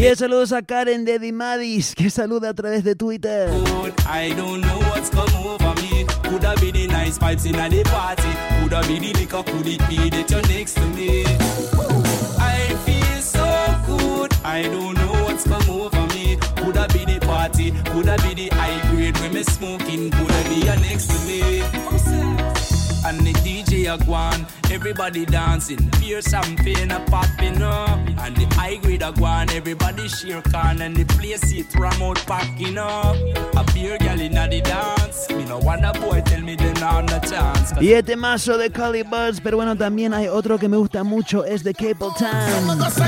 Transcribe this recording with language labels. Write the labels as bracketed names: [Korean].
[Spanish] Y saludos a Karen de Dimadis, que saluda a través de Twitter. [English] Good, I don't know what's come over me. Could have been the nice pipes in the party. Could have been the liquor, could it be that you're next to me? I feel so good. I don't know what's come over me. Could have been the party. Could have been the high grade when me smoking. Could have been you next to me? And the DJ a gwan, everybody dancing. Beer, champagne, a popping up. And the high grade a gwan, everybody share can. And the place it ram out packing up. A beer girl in a the dance. Me no wonder boy tell me they not no chance. [Spanish] Y este mazo de Cali Buds, pero bueno, también hay otro que me gusta mucho, es de Cable Town.